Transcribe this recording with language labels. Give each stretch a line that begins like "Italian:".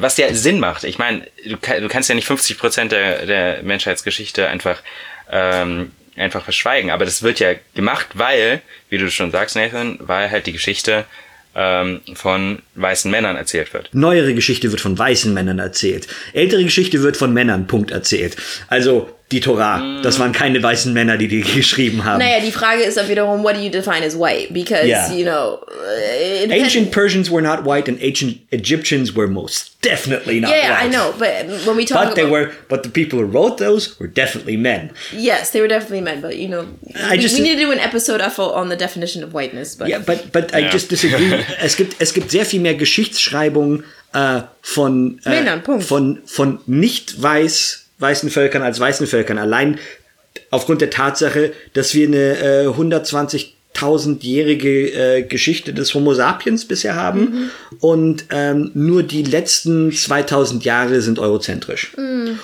German: Und was ja Sinn macht, ich meine, du kannst ja nicht 50% der Menschheitsgeschichte einfach verschweigen, aber das wird ja gemacht, weil, wie du schon sagst, Nathan, weil halt die Geschichte von weißen Männern erzählt wird. Neuere Geschichte wird von weißen Männern erzählt. Ältere Geschichte wird von Männern, Punkt, erzählt. Also die Tora, das waren keine weißen Männer, die geschrieben haben. Naja, die Frage ist auch wiederum,
English: what do you define as white? Because, you know, Ancient Persians were not white and ancient Egyptians were most definitely not white. Yeah, I know, but when we talk about... But the people who wrote those were definitely men. Yes, they were definitely men, but, you know, we need to do an episode on the definition of whiteness, but... Yeah, but I just disagree.
German: es gibt sehr viel mehr Geschichtsschreibung von... Männern, Punkt. Von nicht weiß... weißen Völkern als weißen Völkern, allein aufgrund der Tatsache, dass wir eine 120.000-jährige Geschichte des Homo sapiens bisher haben und nur die letzten 2000 Jahre sind eurozentrisch. Mhm.